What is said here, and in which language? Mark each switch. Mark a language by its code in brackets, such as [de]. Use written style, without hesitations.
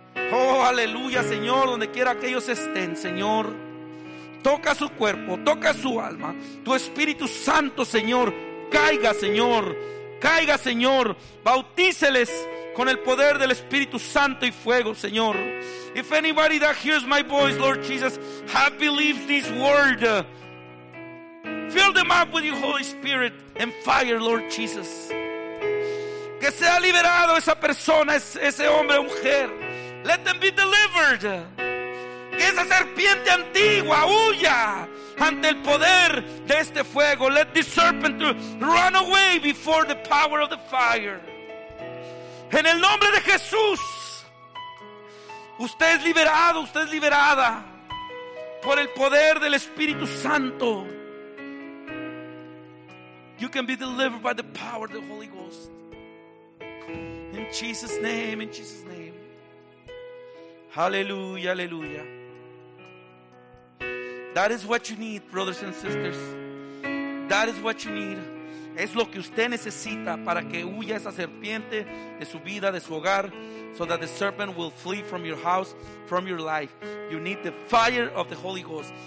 [es] Oh, aleluya, Señor, donde quiera que ellos estén, Señor. Toca su cuerpo, toca su alma. Tu Espíritu Santo, Señor, caiga, Señor. Caiga, Señor. Bautíceles con el poder del Espíritu Santo y fuego, Señor. [en] If anybody that hears my voice, Lord Jesus, have believed this word, fill them up with your Holy Spirit and fire, Lord Jesus. [es] Que sea liberado esa persona, ese hombre o mujer. [en] Let them be delivered. [es] Que esa serpiente antigua huya ante el poder de este fuego. [en] Let the serpent run away before the power of the fire. [es] En el nombre de Jesús, usted es liberado, usted es liberada por el poder del Espíritu Santo. [en] You can be delivered by the power of the Holy Ghost. In Jesus' name, in Jesus' name. Hallelujah, hallelujah. That is what you need, brothers and sisters. That is what you need. [es] Es lo que usted necesita para que huya esa serpiente de su vida, de su hogar. [en] So that the serpent will flee from your house, from your life. You need the fire of the Holy Ghost.